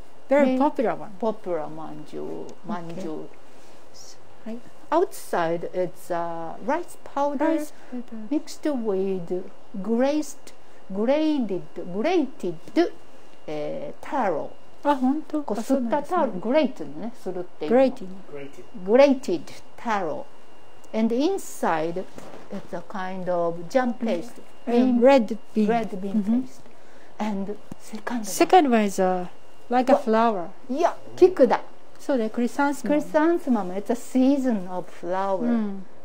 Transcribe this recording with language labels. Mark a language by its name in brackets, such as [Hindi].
[English] Very popular one. Popular 饅頭。饅頭。 Outside it's rice powder mixed with grated taro。 [Japanese] あ、本当。こすったタロ、グレートね、するっていう。 [English] Grated [Japanese] タロ。 [English] And inside it's a kind of jam paste. Red bean mm-hmm. paste. And second one is a flower. Yeah, kikuda. So the chrysanthemum. It's a season of flower. Mm.